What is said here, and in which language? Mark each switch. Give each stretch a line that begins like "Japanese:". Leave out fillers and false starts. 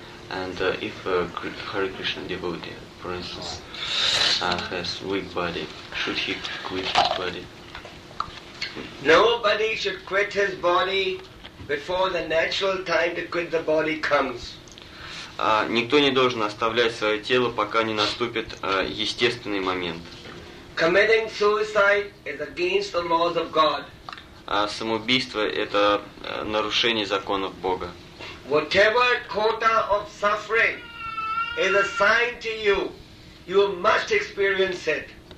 English: And if a Hare Krishna devotee, for instance, has weak body, should he quit his body? Nobody should quit his body before the natural time to quit the body comes.
Russian: Никто не должен оставлять свое тело, пока не наступит естественный момент.
English: Committing suicide is against the laws of God.
Russian: Самоубийство – это нарушение законов Бога.
English: Whatever quota of suffering is assigned to you, you must experience it.